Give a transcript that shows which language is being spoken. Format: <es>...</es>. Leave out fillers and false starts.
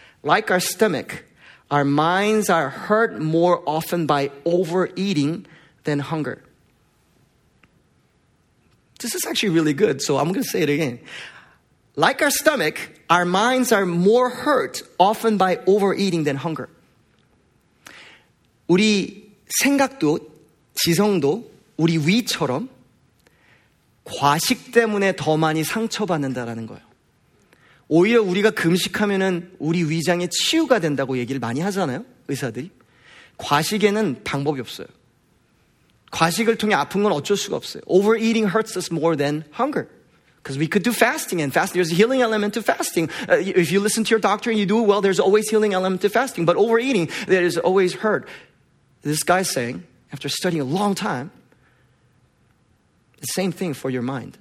<en>Like our stomach, our minds are hurt more often by overeating than hunger. This is actually really good, so I'm going to say it again. Like our stomach, our minds are more hurt often by overeating than hunger.</en> <ko>우리 생각도 지성도 우리 위처럼 과식 때문에 더 많이 상처받는다라는 거예요. 오히려 우리가 금식하면은 우리 위장의 치유가 된다고 얘기를 많이 하잖아요, 의사들이. 과식에는 방법이 없어요. 과식을 통해 아픈 건 어쩔 수가 없어요.</ko> <en>Overeating hurts us more than hunger. Because we could do fasting, and fasting, there's a healing element to fasting. If you listen to your doctor and you do it well, there's always healing element to fasting. But overeating, there is always hurt. This guy's saying, after studying a long time, the same thing for your mind.</en>